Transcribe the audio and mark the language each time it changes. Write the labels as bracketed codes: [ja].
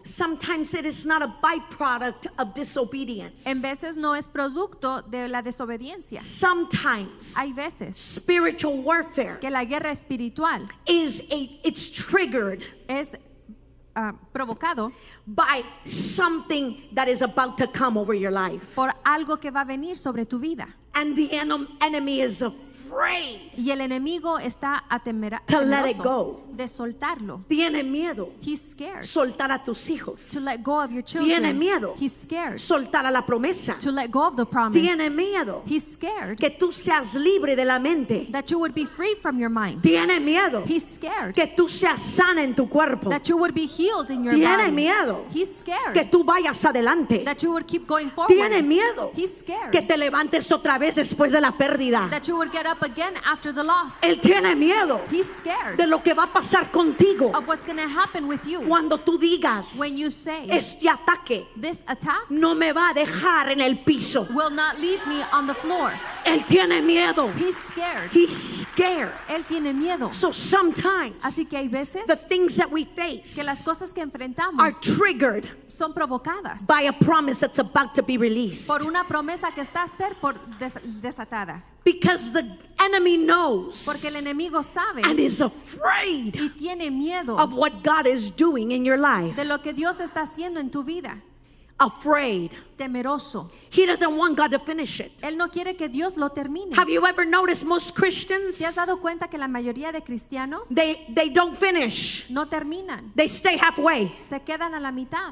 [en] Sometimes it is not a byproduct of disobedience. [es] En veces no es producto de la desobediencia. [en] Sometimes. [es] Hay veces. [en] Spiritual warfare. [es] Que la guerra espiritual. [en] Is a. It's triggered. [es] Es provocado [en] by something that is about to come over your life. [es] Por algo que va a venir sobre tu vida. [en] And the enemy is afraid. [es] Y el enemigo está atemorizado. [en] To let it go. [es] De soltarlo. Tiene miedo. [en] He's scared. [es] Soltar a tus hijos. [en] To let go of your children. [es] Tiene miedo. [en] He's scared. [es] Soltar a la promesa. [en] To let go of the promise. [es] Tiene miedo. [en] He's scared. [es] Que tú seas libre de la mente. [en] That you would be free from your mind. [es] Tiene miedo. [en] He's scared. [es] Que tú seas sana en tu cuerpo. [en] That you would be healed in your [es] Tiene [en] body. [es] Tiene miedo. [en] He's scared. [es] Que tú vayas adelante. [en] That you would keep going forward. [es] Tiene miedo. [en] He's scared. [es] Que te levantes otra vez después de la pérdida. [en] That you would get up again after the loss. [es] Él tiene miedo. [en] He's scared. [es] De lo que va a pasar contigo. [en] Of what's going to happen with you. [es] Cuando tú digas. [en] When you say. [es] Este ataque. [en] This attack. [es] No me va a dejar en el piso. [en] Will not leave me on the floor. [es] Él tiene miedo. [en] He's scared. He's scared. [es] Él tiene miedo. [en] So sometimes. [es] Así que hay veces. [en] The things that we face. [es] Que las cosas que enfrentamos. [en] Are triggered. [es] Son provocadas. [en] By a promise that's about to be released. [es] Por una promesa que está a ser por desatada. [en] Because the enemy knows. [es] Porque el enemigo sabe. [en] And is afraid. [es] Y tiene miedo. [en] Of what God is doing in your life. [es] De lo que Dios está haciendo en tu vida. [en] Afraid. [es] Temeroso. [en] He doesn't want God to finish it. [es] Él no quiere que Dios lo termine. [en] Have you ever noticed most Christians? [es] ¿Te has dado cuenta que la mayoría de cristianos? [en] They don't finish. [es] No terminan. [en] They stay halfway. [es] Se quedan a la mitad.